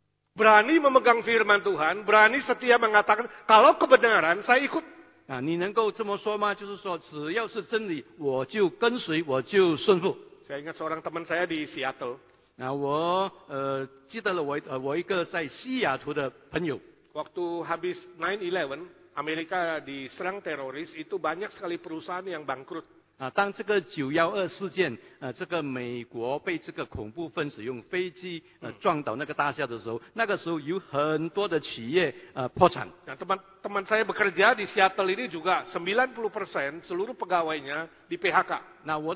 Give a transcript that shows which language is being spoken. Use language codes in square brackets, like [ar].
[id] Berani memegang firman Tuhan, berani setia mengatakan, kalau kebenaran saya ikut. [zh] 你能够这么说吗？就是说，只要是真理，我就跟随，我就顺服。 [id] Saya ingat seorang teman saya di Seattle. [zh] 我记得了我一个在西雅图的朋友。 [id] Waktu habis 9/11, Amerika diserang teroris, itu banyak sekali perusahaan yang bangkrut. [zh] 当这个911事件，这个美国被这个恐怖分子用飞机撞倒那个大厦的时候，那个时候有很多的企业破产。 [id] teman saya bekerja di Seattle ini juga 90% seluruh pegawainya di PHK.